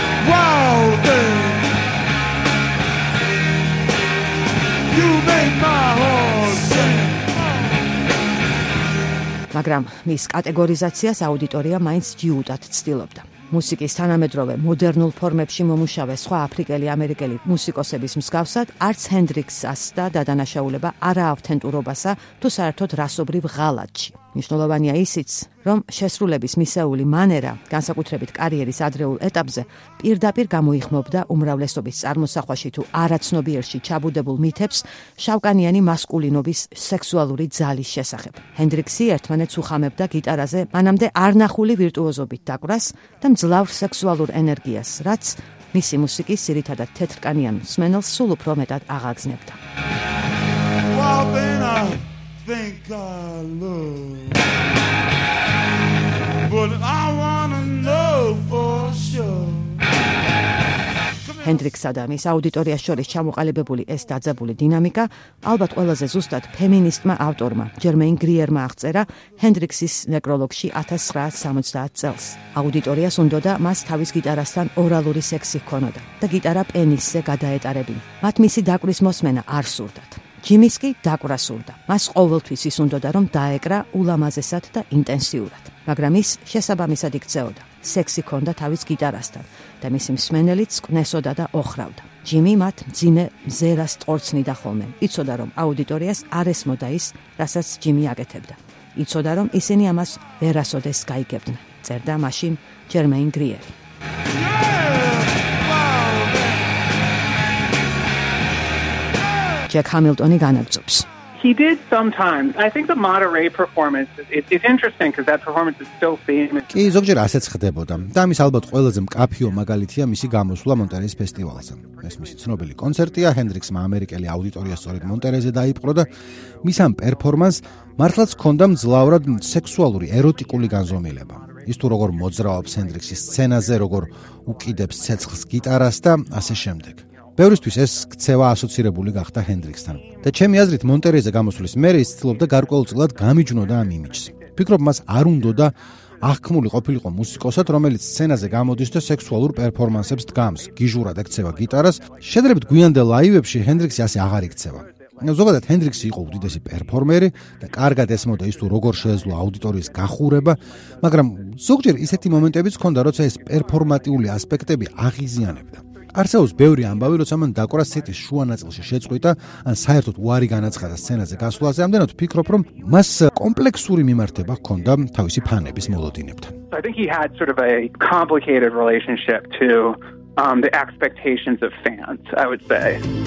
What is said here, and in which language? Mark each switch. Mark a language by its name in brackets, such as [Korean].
[English] Wow, thing. You made my heart. [Georgian] მაგრამ მის კატეგორიზაციას აუდიტორია მაინც ჯიუდად ცდილობდა. მუსიკის თანამედროვე მოდერნულ ფორმებში მომუშავე სხვა აფრიკელი ამერიკელი მუსიკოსების მსგავსად არც ჰენდრიქსას და დადანაშაულება არაავთენტურობასა თუ საერთოდ რასობრივ ღალატში. მნიშვნელოვანია ისიც, რომ შესრულების მისეული მანერა, განსაკუთრებით კარიერის ადრეულ ეტაპზე, პირდაპირ გამოიხმობდა უმრავლესობის წარმოსახვაში თუ არაცნობიერში ჩაბუდებულ მითებს შავკანიანი მასკულინობის სექსუალური ძალის შესახებ. ჰენდრიქსი ერთმანეთს უხამებდა გიტარაზე მანამდე არნახული ვირტუოზობით დაკვრას და მძლავრ სექსუალურ ენერგიას, რაც მისი მუსიკის ძირითადად თეთრკანიან მსმენელს სულ უფრო მეტად აღაგზნებდა. [English] Think I love, but I wanna know for sure. [Georgian] ჰენდრიქსა და მის აუდიტორიას შორის ჩამოყალიბებული ეს დაძაბული დინამიკა ალბათ ყველაზე ზუსტად ფემინისტმა ავტორმა ჯერმეინ გრიერმა აღწერა ჰენდრიქსის ნეკროლოგში 1970 წელს. აუდიტორიას უნდოდა მას თავის გიტარასთან ორალური სექსი ჰქონოდა და გიტარა პენისზე გადაეტარებინ. მათ მისი დაკვრის მოსმენა არ სურდათ. ჯიმის კი დაკვრა სურდა. მას ყოველთვის ისუნდოდა, რომ დაეკრა ულამაზესად და ინტენსიურად. მაგრამ ის შესაბამისად იქცეოდა. სექსი ჰქონდა თავის გიტარასთან და მისი მსმენელიც კვნესოდა და ოხრავდა. ჯიმი მათ მძიმე მზერას ტორცნიდა ხოლმე. იცოდა, რომ აუდიტორიას არ ესმოდა ის, რასაც ჯიმი აკეთებდა. იცოდა, რომ ისინი ამას ვერასოდეს გაიგებდნენ, წერდა მაშინ ჯერმეინ გრიერი. ჯეკ ჰამილტონი განაგწობს. [English] He did sometimes. I think the Monterey performance it's interesting because that performance is so famous. [Georgian] კი, ზოგჯერ ასეც ხდებოდა. და ამის ალბათ ყველაზე მკაფიო მაგალითია მისი გამოსვლა მონტერეის ფესტივალზე. ეს მისი ცნობილი კონცერტია, ჰენდრიქსმა ამერიკელი აუდიტორია სწორედ მონტერეზე დაიპყრო და მის ამ პერფორმანსს მართლაც ჰქონდა მძლავრად სექსუალური ეროტიკული განზომილება. ის თუ როგორ მოძრაობს ჰენდრიქსის სცენაზე, როგორ უკიდებს ცეცხლს გიტარას და ასე შემდეგ. ბევრისთვის ეს ქცევა ასოცირებული გახდა ჰენდრიქსთან. და ჩემი აზრით, მონტერეზე გამოსვლის მერე ის ცდილობდა გარკვეულწილად გამიჯნოდა ამ იმიჯს. ფიქრობ, მას არ უნდოდა აღქმული ყოფილიყო მუსიკოსად, რომელიც სცენაზე გამოდის და სექსუალურ პერფორმანსებს დგამს, გიჟურად ექცევა გიტარას. შედარებით გვიანდელ ლაივებში ჰენდრიქსი ასე აღარ იქცევა. ზოგადად ჰენდრიქსი იყო უდიდესი პერფორმერი და კარგად ესმოდა ის, თუ როგორ შეეძლო აუდიტორიის გახურება, მაგრამ ზოგჯერ ისეთი მომენტებიც ჰქონდა, როცა ეს პერფორმატიული ასპექტები აღიზიანებდა. არსაუს ბევრი ამბავი, როცა მან დაკვრა სეტის შუა ნაწილში შეწყვიტა ან საერთოდ უარი განაცხადა სცენაზე გასვლაზე, ამდენად ვფიქრობ, რომ მას კომპლექსური მიმართება ჰქონდა თავისი ფანების მოლოდინებთან. [English] I think he had sort of a complicated relationship to the expectations of fans, I would say.